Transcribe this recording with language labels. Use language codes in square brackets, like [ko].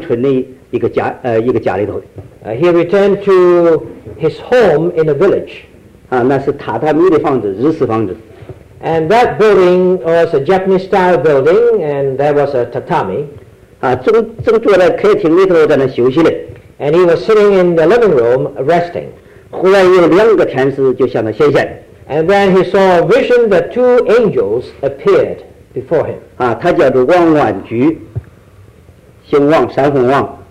[zh] 就那一天回到他的这个就是乡村的一个家里头。 [en] He returned to his home in the village. [zh] 那是榻榻米的房子，日式房子。 [en] And that building was a Japanese style building, and there was a tatami. [zh] 正坐在客厅里头在那休息呢。 [en] And he was sitting in the living room resting. [zh] 忽然有2个天使就向他显现。 [en] And then he saw a vision that 2 angels appeared before him. [zh] 他叫做王万菊，姓王，山凤王。